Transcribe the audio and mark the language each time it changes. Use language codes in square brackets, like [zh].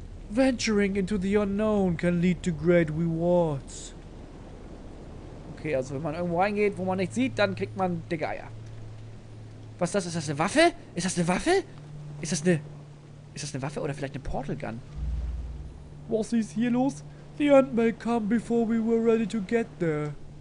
[en] Venturing into the unknown can lead to great rewards. [de] Okay, also wenn man irgendwo reingeht, wo man nichts sieht, dann kriegt man dicke Eier. Was ist das? Ist das eine Waffe? Ist das eine Waffe? Ist das eine Waffe oder vielleicht eine Portal Gun? Was ist hier los? [en] The end may come before we were ready to get there.